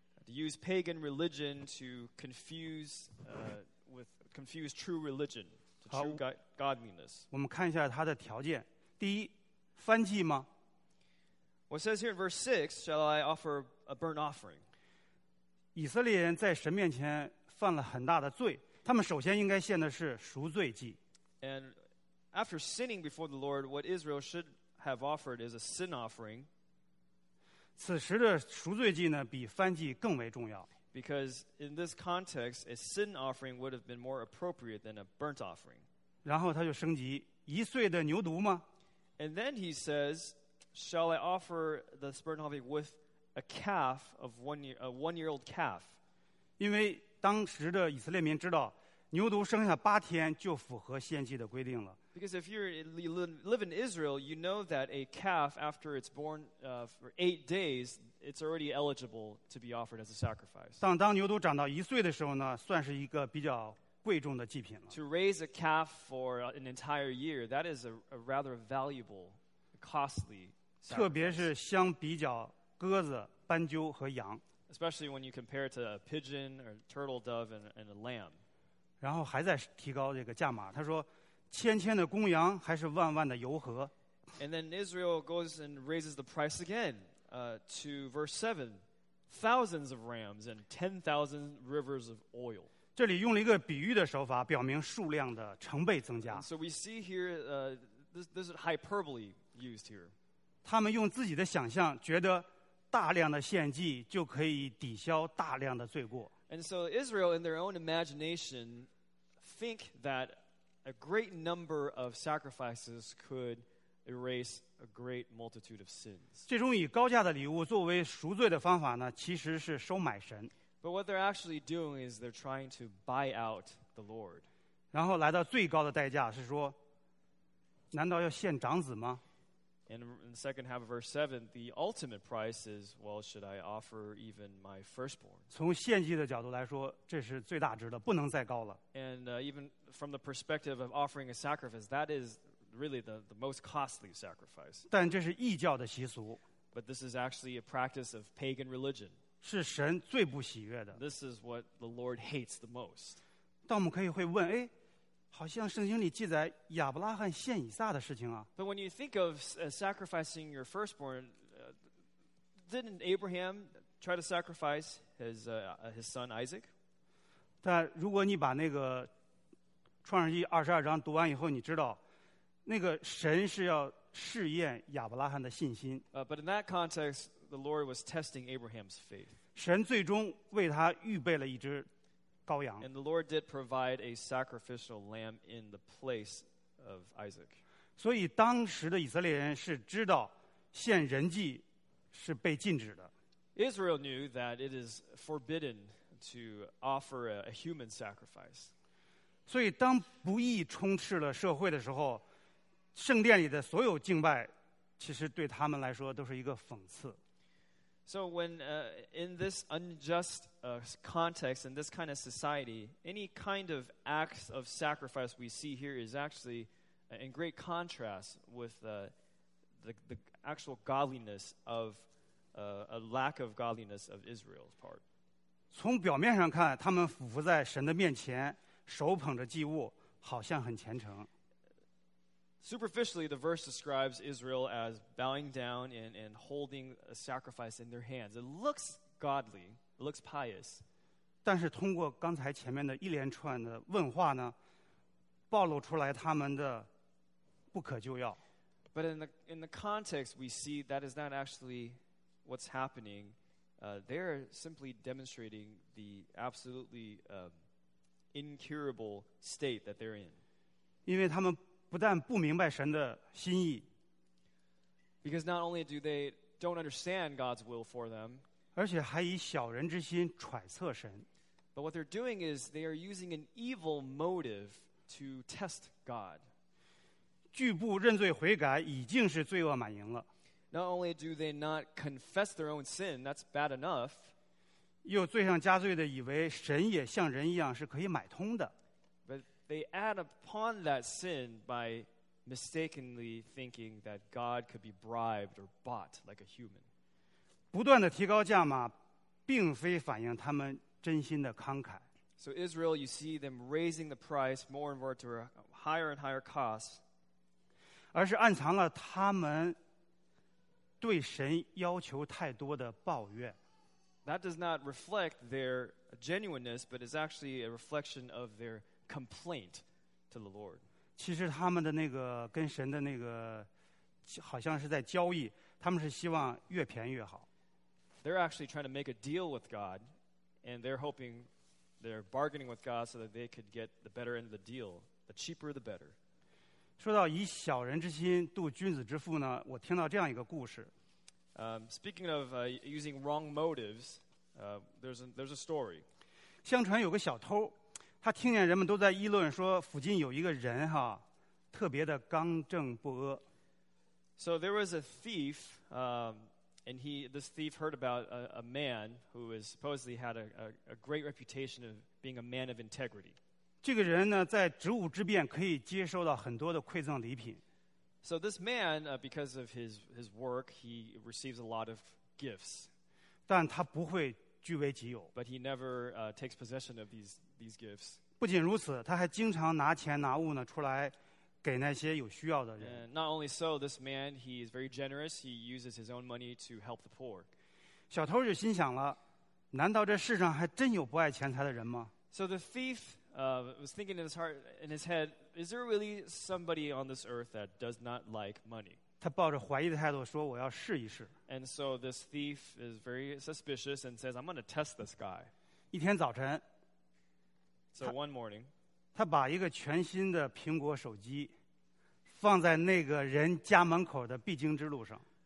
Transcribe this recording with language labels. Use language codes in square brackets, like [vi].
[en] To use pagan religion to confuse with confuse true religion to true godliness. [zh] 我们看一下它的条件。第一，燔祭吗？ [en] What says here in verse 6, shall I offer a burnt offering? [zh] 以色列人在神面前犯了很大的罪。他们首先应该献的是赎罪祭。 [en] And after sinning before the Lord, what Israel should have offered is a sin offering. [zh] 此时的赎罪祭呢，比燔祭更为重要。 [en] Because in this context, a sin offering would have been more appropriate than a burnt offering. [zh] 然后他就升级，一岁的牛犊吗？ [en] And then he says, shall I offer the burnt offering with a calf of one-year-old calf? [zh] 因为当时的以色列民知道牛犊生下八天就符合献祭的规定了。 [en] Because if you live in Israel, you know that a calf after it's born for 8 days, it's already eligible to be offered as a sacrifice. [zh] 当牛犊长到一岁的时候呢，算是一个比较贵重的祭品了。 [en] To raise a calf for an entire year, that is a rather valuable, costly sacrifice. [zh] 特别是相比较鸽子、斑鸠和羊。 [en] Especially when you compare it to a pigeon or a turtle dove and a lamb. [zh] 然后还在提高这个价码。他说，千千的公羊还是万万的油和。 [en] And then Israel goes and raises the price again, to verse 7, thousands of rams and 10,000 rivers of oil. [zh] 这里用了一个比喻的手法，表明数量的成倍增加。 [en] So we see here, this is hyperbole used here. [zh] 他们用自己的想象觉得大量的献祭就可以抵消大量的罪过。 [en] And so Israel, in their own imagination, think that a great number of sacrifices could erase a great multitude of sins. [zh] 这种以高价的礼物作为赎罪的方法呢，其实是收买神。 [en] But what they're actually doing is they're trying to buy out the Lord. [zh] 然后来到最高的代价是说，难道要献长子吗？ [en] And in the second half of verse 7, the ultimate price is, well, should I offer even my firstborn? [zh] 从献祭的角度来说，这是最大值的，不能再高了。 [en] And even from the perspective of offering a sacrifice, that is really the most costly sacrifice. [zh] 但这是异教的习俗。 [en] But this is actually a practice of pagan religion. [zh] 是神最不喜悦的。 [en] This is what the Lord hates the most. [zh] 但我们可以会问，哎，好像圣经里记载亚伯拉罕献以撒的事情啊。 [en] But when you think of sacrificing your firstborn, didn't Abraham try to sacrifice his son Isaac? [zh] 但如果你把那个创世纪22章读完以后，你知道那个神是要试验亚伯拉罕的信心。 [en] But in that context, the Lord was testing Abraham's faith. [zh] 神最终为他预备了一只。 [en] And the Lord did provide a sacrificial lamb in the place of Isaac. [zh] 所以当时的以色列人是知道献人祭是被禁止的。 [en] Israel knew that it is forbidden to offer a human sacrifice. [zh] 所以当不义充斥了社会的时候，圣殿里的所有敬拜其实对他们来说都是一个讽刺。 [en] So when in this unjust context, in this kind of society, any kind of acts of sacrifice we see here is actually in great contrast with the actual godliness of a lack of godliness of Israel's part. [zh] 从表面上看，他们俯伏在神的面前，手捧着祭物，好像很虔诚。 [en] Superficially, the verse describes Israel as bowing down and holding a sacrifice in their hands. It looks godly. It looks pious. [zh] 但是通过刚才前面的一连串的问话呢，暴露出来他们的不可救药。 [en] But in the context, we see that is not actually what's happening. They're simply demonstrating the absolutely incurable state that they're in. [zh] 因为他们不但不明白神的心意， [en] because not only do they don't understand God's will for them, [zh] 而且还以小人之心揣测神。 [en] But what they're doing is they are using an evil motive to test God. [zh] 拒不认罪悔改已经是罪恶满盈了。 [en] Not only do they not confess their own sin, that's bad enough, [zh] 又罪上加罪的以为神也像人一样是可以买通的。 [en] But they add upon that sin by mistakenly thinking that God could be bribed or bought like a human. [zh] 不断的提高价码，并非反映他们真心的慷慨。 [en] So Israel, you see them raising the price more and more to a higher and higher cost. [zh] 而是暗藏了他们对神要求太多的抱怨。 [en] That does not reflect their genuineness, but is actually a reflection of their complaint to the Lord. [zh] 其实他们的那个跟神的那个好像是在交易，他们是希望越便宜越好。 [en] They're actually trying to make a deal with God, and they're hoping, they're bargaining with God so that they could get the better end of the deal, the cheaper the better. [zh] 说到以小人之心度君子之腹呢，我听到这样一个故事。 [en] Speaking of using wrong motives, there's a story. [zh] 相传有个小偷，他听见人们都在议论说附近有一个人哈，特别的刚正不阿。 [en] So there was a thief, and this thief heard about a man who is supposedly had a great reputation of being a man of integrity. [zh] 这个人呢，在职务之便可以接收到很多的馈赠礼品。 [en] So this man, because of his work, he receives a lot of gifts. [zh] 但他不会据为己有。 [en] But he never takes possession of these gifts. [zh] 不仅如此，他还经常拿钱拿物呢出来给那些有需要的人。 [en] And not only so, this man, he is very generous. He uses his own money to help the poor. [zh] 小偷就心想了，难道这世上还真有不爱钱财的人吗？ [en] So the thief was thinking in his heart, in his head,Is there really somebody on this earth that does not like money? [zh] 他抱着怀疑的态度说我要试一试。 [en] And so this thief is very suspicious and says, I'm going to test this guy. [zh] 一天早晨， [en] So one morning, [zh] 他把一个全新的苹果手机放在那个人家门口的必经之路上。